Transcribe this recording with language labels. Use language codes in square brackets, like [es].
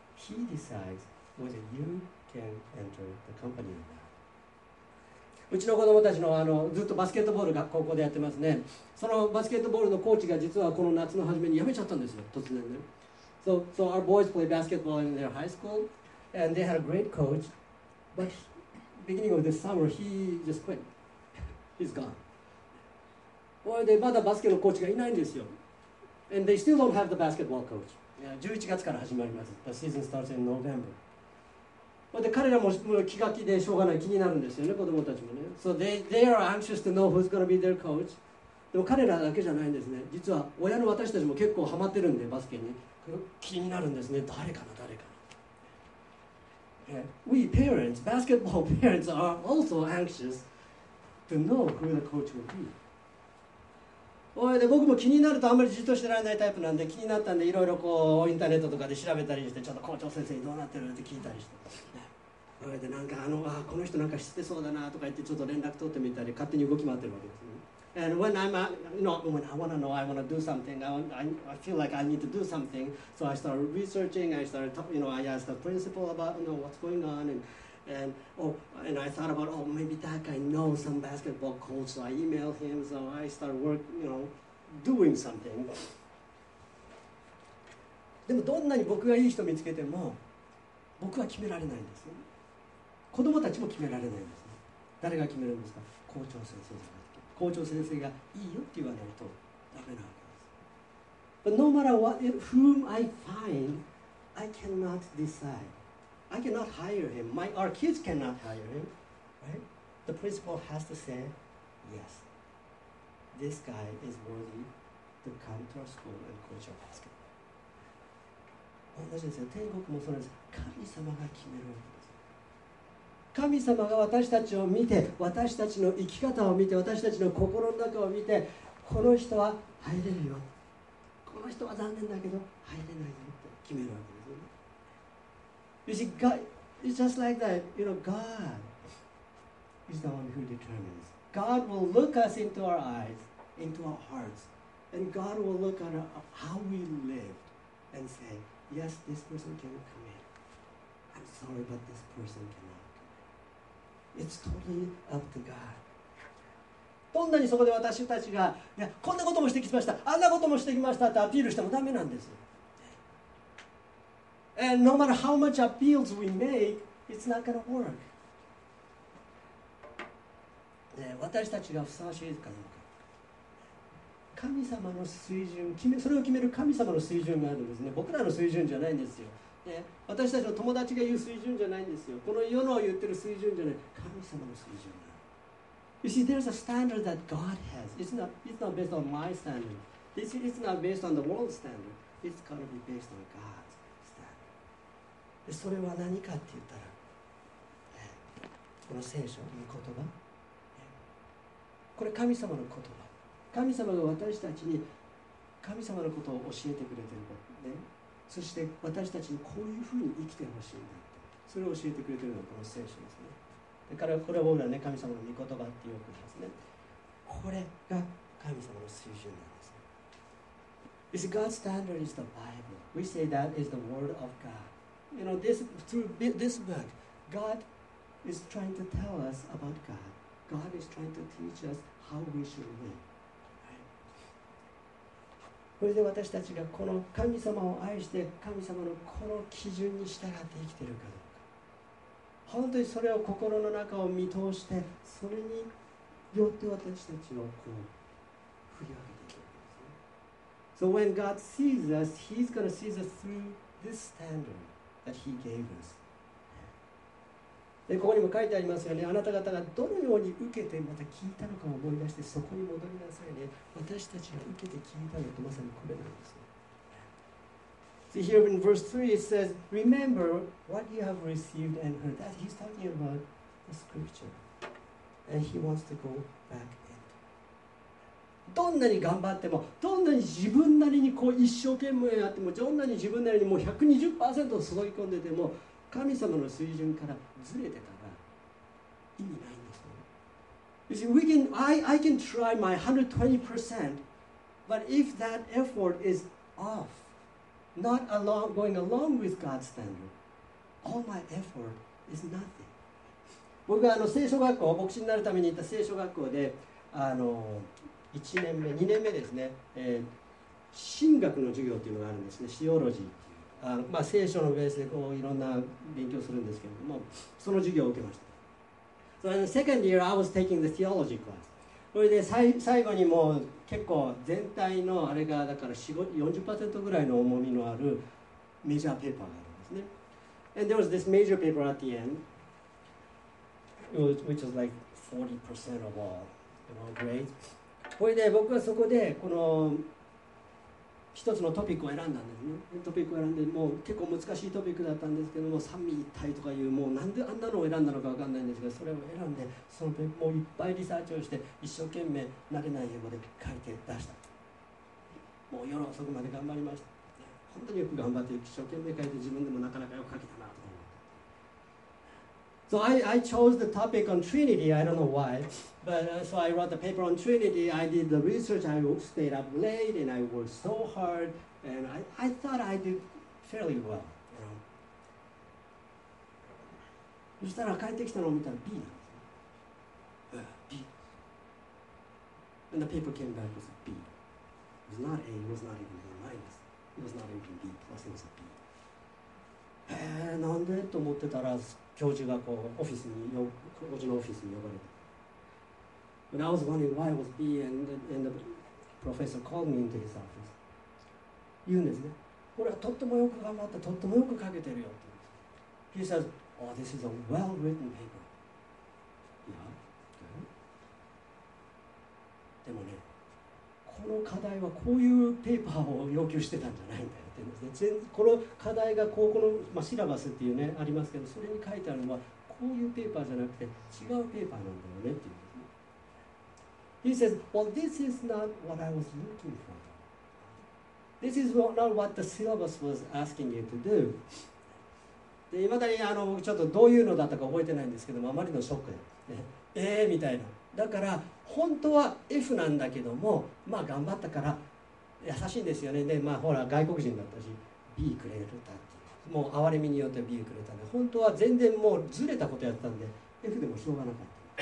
[en] Yeah. He decides whether you can enter the company or not. [ja] うちの子供たちの、あの、ずっとバスケットボールが高校でやってますね。そのバスケットボールのコーチが実はこの夏の初めに辞めちゃったんですよ、突然ね。 [en] So our boys play basketball in their high school, and they had a great coach, butBeginning of this summer, he just quit. He's gone. Or they, [ja] まだバスケのコーチがいないんですよ。 [en] And they still don't have the basketball coach. Yeah, [ja] 11月から始まります。 [en] The season starts in November. But the [ja] 彼らも気が気でしょうがない、気になるんですよね、子供たちもね。 [en] So they are anxious to know who's going to be their coach. [ja] でも彼らだけじゃないんですね。実は親の私たちも結構ハマってるんで、バスケに。気になるんですね、誰かな、誰かな。 [en] Yeah. We parents, basketball parents, are also anxious to know who the coach will be. [ja] Oh, で僕も気になるとあんまりじっとしてられないタイプなんで気になったんでいろいろこうインターネットとかで調べたりしてちょっと校長先生にどうなってるって聞いたりして。 Oh, でなんかあのあこの人なんか知ってそうだなとか言ってちょっと連絡取ってみたり勝手に動き回ってるわけですね。 [en] And when I'm, you know, when I want to know, I want to do something. I feel like I need to do something. So I start researching. I start, you know, I ask the principal about, you know, what's going on. And I thought about, oh, maybe that guy knows some basketball coach. So I email him. So I start work, you know, doing something. [ja] でもどんなに僕がいい人見つけても、僕は決められないんですね。子供たちも決められないんですね。誰が決めるんですか？校長先生じゃないですか。校長先生がいいよって言わないとダメなわけです。 [en] But no matter what, whom I find, I cannot decide. I cannot hire him. Our kids cannot hire him. Right? The principal has to say, yes, this guy is worthy to come to our school and coach our basketball. [ja] 同じですよ。天国もそうです。神様が決めるわけです。神様が私たちを見て、私たちの生き方を見て、私たちの心の中を見て、この人は入れるよ。この人は残念だけど、入れないよって決めるわけですよね。 [en] You see, God, it's just like that. You know, God is the one who determines. God will look us into our eyes, into our hearts, and God will look at how we lived and say, yes, this person can come in. I'm sorry, but this person cannot. It's totally up to God. [ja] どんなにそこで私たちがいやこんなこともしてきました、あんなこともしてきましたってアピールしてもダメなんです。 [en] And no matter how much appeals we make, it's not going to work. [ja] で私たちがふさわしいかどうか。神様の水準決め、それを決める神様の水準があるんですね。僕らの水準じゃないんですよ。ね、私たちの友達が言う水準じゃないんですよ。この世の言ってる水準じゃない。神様の水準だ。 [en] You see, there's a standard that God has. It's not based on my standard. It's not based on the world's standard. It's got to be based on God's standard. [ja] でそれは何かって言ったら、ね、この聖書、御言葉、ね。これ神様の言葉。神様が私たちに神様のことを教えてくれてること。ね、そして私たちにこういうふうに生きてほしいんだってそれを教えてくれているのがこの聖書ですね。だからこれは僕らね神様の御言葉ってよく言いますね。これが神様の水準なんですね。 [en] Is God's standard is the Bible. We say that is the word of God. You know, through this book, God is trying to tell us about God. God is trying to teach us how we should live. [ja] それで私たちがこの神様を愛して神様のこの基準に従って生きているかどうか本当にそれを心の中を見通してそれによって私たちをこう振り分けていくわけですね。 [en] So when God sees us, He's going to see us through this standard that He gave us. [ja] でここにも書いてありますよね。あなた方がどのように受けてまた聞いたのかを思い出してそこに戻りなさいね。私たちが受けて聞いたのとまさにこれなんです、ね。 [en] See here in verse 3 it says, remember what you have received and heard. That he's talking about the scripture. And he wants to go back in. [ja] どんなに頑張っても、どんなに自分なりにこう一生懸命やっても、どんなに自分なりにもう 120% 注ぎ込んでても、神様の水準からずれてたら意味ないんですよ。 [en] You see, I can try my 120%, but if that effort is off,Not along, going along with God's standard. All my effort is nothing. [ja] 僕はあの聖書学校、牧師になるために行った聖書学校で、あの1年目、2年目ですね、神学の授業というのがあるんですね、シオロジー。あの、まあ、聖書のベースでこういろんな勉強するんですけれども、その授業を受けました。 [en] So in the second year, I was taking the theology class. [ja] それで最後にもう結構全体のあれがだから 40% ぐらいの重みのあるメジャーペーパーがあるんですね。 [en] And there was this major paper at the end, which was like 40% of all, you know, grades. [ja] それで僕はそこでこの一つのトピックを選んだんですね。トピックを選んで、もう結構難しいトピックだったんですけども、三位一体とかいう、もうなんであんなのを選んだのか分かんないんですけど、それを選んで、そのペーパーをいっぱいリサーチをして、一生懸命慣れない英語で書いて出した。もう夜遅くまで頑張りました。本当によく頑張って、一生懸命書いて、自分でもなかなかよく書けたなと思って。 [en] So I chose the topic on Trinity, I don't know why, But so I wrote the paper on Trinity. I did the research. I stayed up late and I worked so hard. And I thought I did fairly well. [ja] そしたら帰ってきたのを見たら B なんです。 B. [en] And the paper came back was a B. It was not A. It was not even A minus. It was not even B plus. It was a B. [ja] なんでと思ってたら教授がこうオフィスに教授のオフィスに呼ばれて。 [en] But I was wondering why it was B, and the professor called me into his office. [ja] 言うんですね。これはとってもよく頑張った、とってもよく書けてるよって言うんです。 [en] He says, oh, this is a well-written paper. Yeah. [ja] でもね、この課題はこういうペーパーを要求してたんじゃないんだよって言うんですね。この課題がこうこの、まあ、シラバスっていうね、ありますけど、それに書いてあるのはこういうペーパーじゃなくて違うペーパーなんだよねっていう。 [en] He says, well, this is not what I was looking for. This is not what the syllabus was asking you to do. [ja] で、未だにあのちょっとどういうのだったか覚えてないんですけども、あまりのショックで、ね、みたいな。だから本当は F なんだけども、まあ頑張ったから優しいんですよね。で、まあほら外国人だったし、B くれるたって。もう哀れみによって B くれたんで、本当は全然もうずれたことやったんで、F でもしょうがなかった。